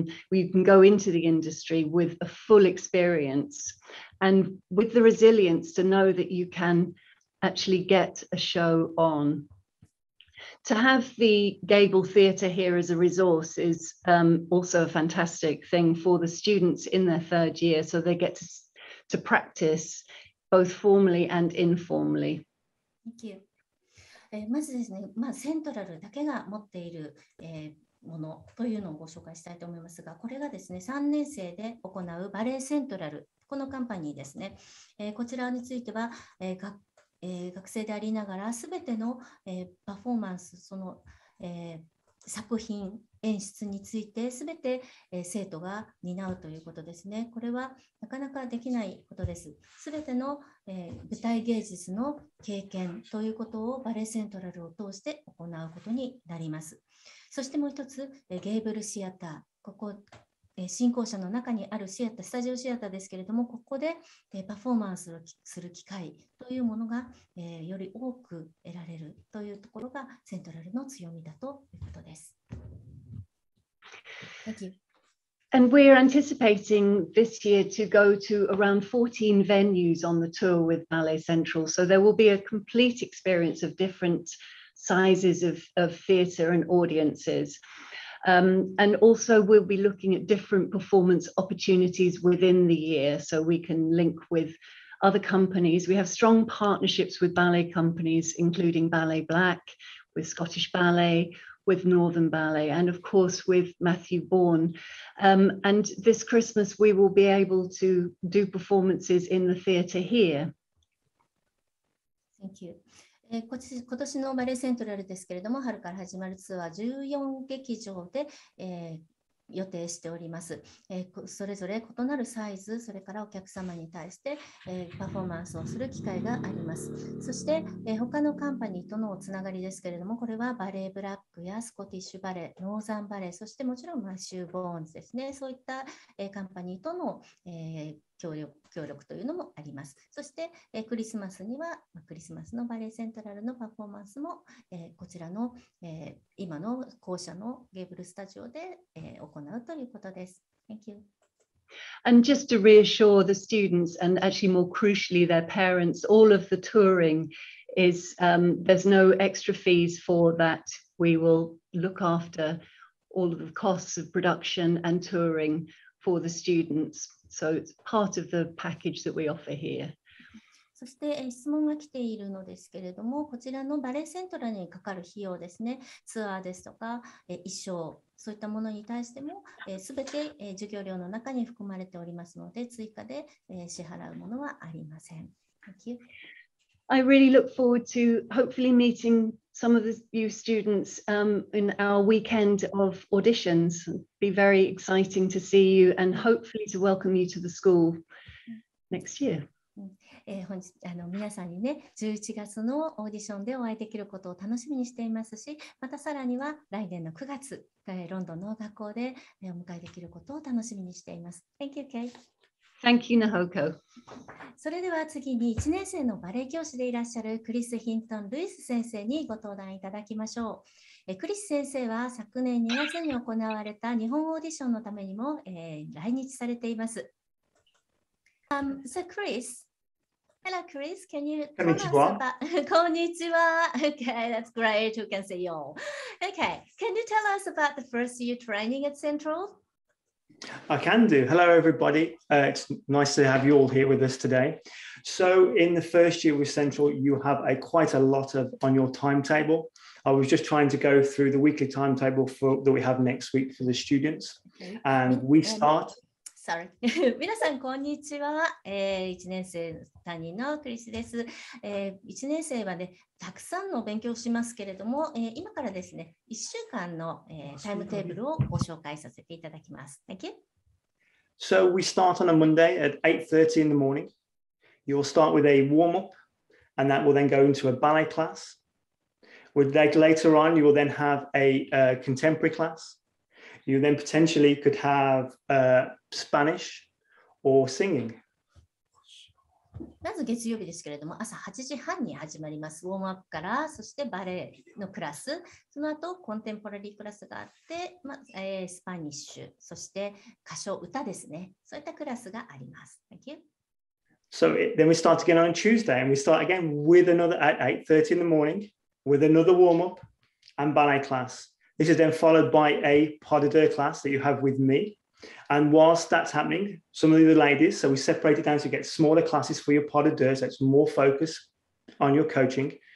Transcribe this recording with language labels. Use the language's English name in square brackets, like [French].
[English] You can go into the industry with a full experience and with the resilience to know that you can actually get a show on. To have the Gable Theatre here as a resource is also a fantastic thing for the students in their third year, so they get to practice. Both formally and informally. Thank you. [Japanese] まずですね、まあ、セントラルだけが持っている、ものというのをご紹介したいと思いますが、これがですね、3年生で行うバレエセントラル、このカンパニーですね。こちらについては、学生でありながら、すべての、パフォーマンス、その、作品、演出についてすべて生徒が担うということですね。これはなかなかできないことです。すべての舞台芸術の経験ということをバレエセントラルを通して行うことになります。そしてもう一つ、ゲーブルシアター。ここ、新校舎の中にあるシアター、スタジオシアターですけれども、ここでパフォーマンスをする機会というものがより多く得られるというところがセントラルの強みだということです。 [English] Thank you. And we are anticipating this year to go to around 14 venues on the tour with Ballet Central. So there will be a complete experience of different sizes of theatre and audiences. And also we'll be looking at different performance opportunities within the year so we can link with other companies. We have strong partnerships with ballet companies, including Ballet Black, with Scottish Ballet,with Northern Ballet, and of course with Matthew Bourne. And this Christmas, we will be able to do performances in the theatre here. Thank you. [Japanese] 今年のバレエセントラルですけれども、春から始まるツアーは14劇場で、予定しております。それぞれ異なるサイズ、それからお客様に対して、パフォーマンスをする機会があります。そして、他のカンパニーとのつながりですけれども、これはバレーブラックやスコティッシュバレー、ノーザンバレー、そしてもちろんマッシュー・ボーンズですね。そういった、カンパニーとの、協力というのもあります。そして、クリスマスには、クリスマスのバレーセントラルのパフォーマンスも、こちらの、今の校舎のゲーブルスタジオで、行うということです。 [English] Thank you. And just to reassure the students and actually more crucially their parents, all of the touring is, there's no extra fees for that. We will look after all of the costs of production and touring for the students. So it's part of the package that we offer here. [Japanese] そして質問が来ているのですけれども、こちらのバレエセントラルにかかる費用ですね、ツアーですとか、衣装、そういったものに対しても、すべて、授業料の中に含まれておりますので、追加で、支払うものはありません。 [English] Thank you. I really look forward to hopefully meeting some of the new students, in our weekend of auditions. It'll be very exciting to see you and hopefully to welcome you to the school next year. [Japanese] 本日皆さんにね、11月のオーディションでお会いできることを楽しみにしていますし、またさらには来年の9月、ロンドンの学校でお迎えできることを楽しみにしています。 [English] Thank you, Kate. Thank you, Nahoko. [Japanese] それでは次に1年生のバレエ教師でいらっしゃるクリス・ヒントン・ルイス先生にご登壇いただきましょう。クリス先生は昨年2月に行われた日本オーディションのためにも、来日されています。 [English] So Chris, hello Chris, can you tell us about... [Japanese] こんにちは。 [English] Okay, that's great, you can say you. Okay, can you tell us about the first year training at Central? I can do. Hello, everybody. It's nice to have you all here with us today. So in the first year with Central, you have quite a lot of on your timetable. I was just trying to go through the weekly timetable that we have next week for the students. And we start... [Japanese] Sorry. 皆さん、こんにちは。 1年生担任のクリスです。1年生はね、たくさんの勉強をしますけれども、今からですね、1週間の、タイムテーブルをご紹介させていただきます。 [English] Thank you. So we start on a Monday at 8:30 in the morning. You'll start with a warm-up, and that will then go into a ballet class. Later on, you will then have a, contemporary class. You then potentially could have, Spanish or singing. [Japanese] まず月曜日ですけれども、朝8時半に始まります。ウォームアップから、そしてバレエのクラス、その後コンテンポラリークラスがあって、まあスパニッシュ、そして歌唱歌ですね。そういったクラスがあります。 [English] Thank you. So then we start again on Tuesday, and we start again with another at 8:30 in the morning, with another warm up and ballet class. This is then followed by a pas de deux class that you have with me. And whilst that's happening, some of the ladies, so we separate it down to get smaller classes for your pas de deux, so it's more focus on your coaching.